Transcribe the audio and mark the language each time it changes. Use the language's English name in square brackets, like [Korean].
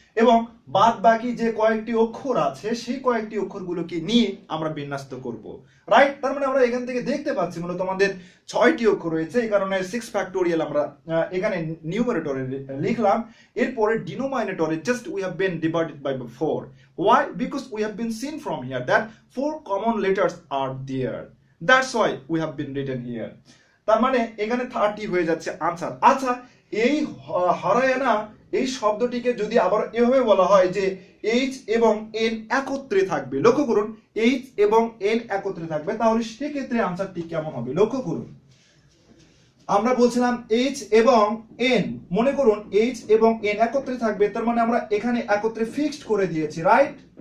[Bangla] এবং বাদ বাকি যে কয়েকটি অক্ষর আছে সেই কয়েকটি অক্ষরগুলোকে নিয়ে আমরা বিন্যস্ত করব রাইট তার মানে আমরা এখান থেকে দেখতে পাচ্ছি মূলত আমাদের 6টি অক্ষর রয়েছে এই কারণে 6 ফ্যাক্টোরিয়াল আমরা এখানে নিউমারেটরে লিখলাম এরপরে ডিনোমিনেটরে [English] Just we have been divided by 4 Why? Because we have been seen from here that 4 common letters are there. That's why we have been written here. [Bangla] তার মানে এখানে 30 হয়ে যাচ্ছে আনসার আচ্ছা এই হরায়ানা এই শব্দটিকে যদি আবার এভাবে বলা হয় যে এইচ এবং এন একত্রে থাকবে লক্ষ্য করুন এইচ এবং এন একত্রে থাকবে তাহলে সেক্ষেত্রে আনসারটি কেমন হবে লক্ষ্য করুন আমরা বলছিলাম এইচ এবং এন মনে করুন এইচ এবং এন একত্রে থাকবে তার মানে আমরা এখানে একত্রে ফিক্সড করে দিয়েছি রাইট